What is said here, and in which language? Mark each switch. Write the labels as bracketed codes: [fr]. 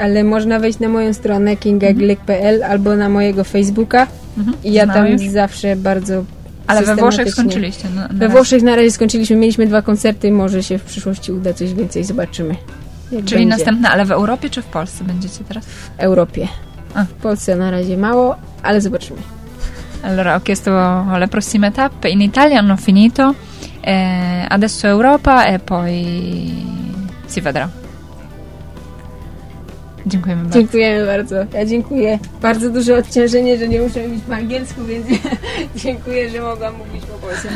[pl] Ale można wejść na moją stronę kingaglik.pl albo na mojego Facebooka i ja tam zawsze bardzo. Ale we Włoszech skończyliście? We Włoszech na razie skończyliśmy, mieliśmy dwa koncerty, może się w przyszłości uda coś więcej, zobaczymy. Czyli następne, ale w Europie czy w Polsce będziecie teraz? W Europie. A. W Polsce na razie mało, ale zobaczymy. [it] Allora, ho chiesto le prossime tappe. In Italia hanno finito, adesso Europa e poi si vedrà. [pl] Dziękujemy bardzo. Dziękujemy bardzo. Ja dziękuję. Bardzo duże odciążenie, że nie muszę mówić po angielsku, więc dziękuję, że mogłam mówić po polsku.